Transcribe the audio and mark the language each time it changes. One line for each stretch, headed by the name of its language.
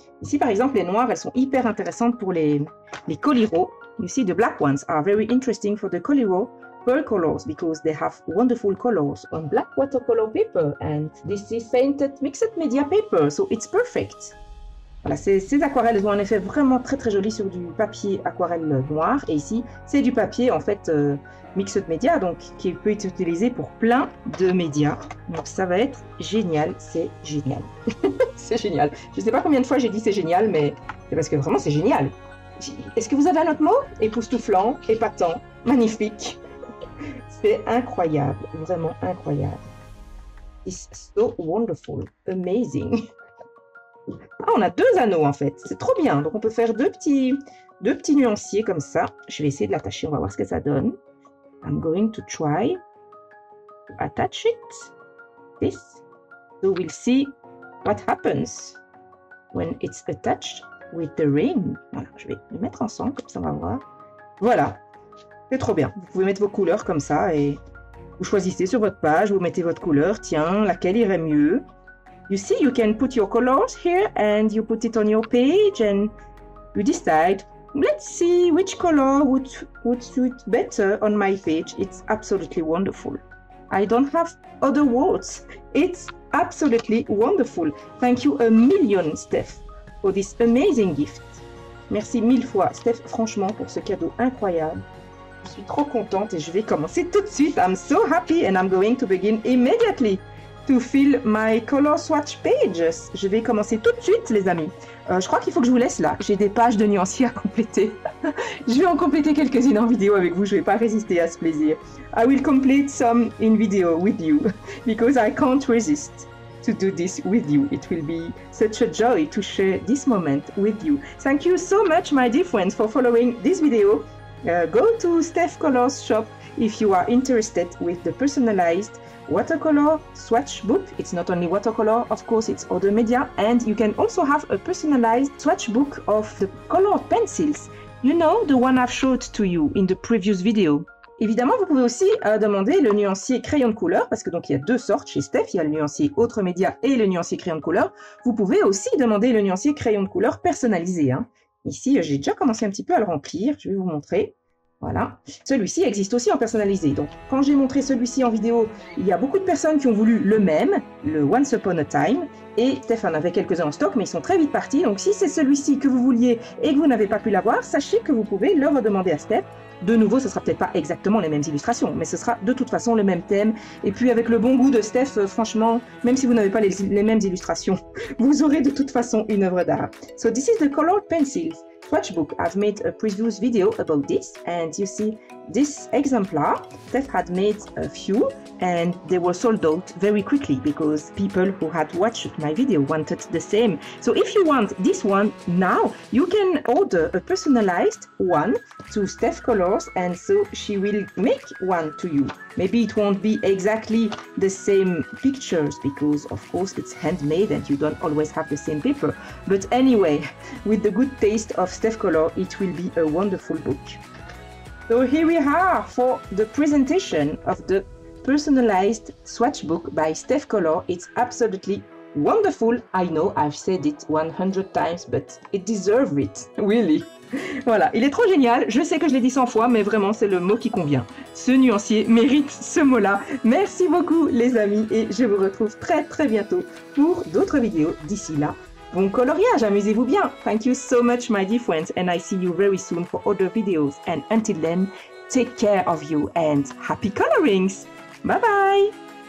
French: Ici, par exemple, les noires, elles sont hyper intéressantes pour les coliro.
English: You see, the black ones are very interesting for the coliro. Pearl colors because they have wonderful colors on black watercolor paper and this is painted mixed media paper, so it's perfect.
French: Voilà, ces aquarelles ont un effet vraiment très très joli sur du papier aquarelle noir et ici c'est du papier en fait mixed media donc qui peut être utilisé pour plein de médias donc ça va être génial, c'est génial. C'est génial, je sais pas combien de fois j'ai dit c'est génial mais c'est parce que vraiment c'est génial. Est-ce que vous avez un autre mot? Époustouflant, épatant, magnifique. C'est incroyable, vraiment incroyable.
English: It's so wonderful, amazing.
French: Ah, on a 2 anneaux en fait, c'est trop bien. Donc on peut faire 2 petits, deux petits nuanciers comme ça. Je vais essayer de l'attacher. On va voir ce que ça donne.
English: I'm going to try to attach it. This. So we'll see what happens when it's attached with the ring.
French: Voilà, je vais les mettre ensemble, comme ça on va voir. Voilà, c'est trop bien. Vous pouvez mettre vos couleurs comme ça et vous choisissez sur votre page, vous mettez votre couleur. Tiens, laquelle irait mieux?
English: You see, you can put your colors here and you put it on your page and you decide. Let's see which color would suit better on my page. It's absolutely wonderful. I don't have other words. It's absolutely wonderful. Thank you a million, Steph, for this amazing gift.
French: Merci mille fois, Steph, franchement, pour ce cadeau incroyable. Je suis trop contente et je vais commencer tout de suite.
English: I'm so happy and I'm going to begin immediately to fill my color swatch pages.
French: Je vais commencer tout de suite, les amis. Je crois qu'il faut que je vous laisse là. J'ai des pages de nuanciers à compléter. Je vais en compléter quelques-unes en vidéo avec vous. Je ne vais pas résister à ce plaisir.
English: I will complete some in video with you because I can't resist to do this with you. It will be such a joy to share this moment with you. Thank you so much, my dear friends, for following this video. Go to Steph Color's shop if you are interested with the personalized watercolor swatch book. It's not only watercolor, of course, it's other media, and you can also have a personalized swatch book of the color pencils, you know, the one I've showed to you in the previous video.
French: Évidemment, vous pouvez aussi demander le nuancier crayon de couleur, parce que donc il y a deux sortes chez Steph, il y a le nuancier autre média et le nuancier crayon de couleur. Vous pouvez aussi demander le nuancier crayon de couleur personnalisé, hein. Ici, j'ai déjà commencé un petit peu à le remplir, je vais vous montrer. Voilà, celui-ci existe aussi en personnalisé. Donc, quand j'ai montré celui-ci en vidéo, il y a beaucoup de personnes qui ont voulu le même, le Once Upon a Time. Et Steph en avait quelques-uns en stock, mais ils sont très vite partis. Donc, si c'est celui-ci que vous vouliez et que vous n'avez pas pu l'avoir, sachez que vous pouvez le redemander à Steph. De nouveau, ce sera peut-être pas exactement les mêmes illustrations, mais ce sera de toute façon le même thème. Et puis, avec le bon goût de Steph, franchement, même si vous n'avez pas les mêmes illustrations, vous aurez de toute façon une œuvre d'art.
English: So, this is the colored pencils. Swatchbook. I've made a previous video about this, and you see this exemplar. Steph had made a few, and they were sold out very quickly because people who had watched my video wanted the same. So if you want this one now, you can order a personalized one to Steph Colors, and so she will make one to you. Maybe it won't be exactly the same pictures because, of course, it's handmade and you don't always have the same paper. But anyway, with the good taste of Steph Color, it will be a wonderful book. So here we are for the presentation of the personalized swatch book by Steph Color. It's absolutely wonderful. I know I've said it 100 times, but it deserves it, really.
French: Voilà, il est trop génial. Je sais que je l'ai dit 100 fois, mais vraiment, c'est le mot qui convient. Ce nuancier mérite ce mot-là. Merci beaucoup, les amis, et je vous retrouve très, très bientôt pour d'autres vidéos. D'ici là, bon coloriage, amusez-vous bien.
English: Thank you so much, my dear friends, and I see you very soon for other videos. And until then, take care of you and happy colorings. Bye-bye.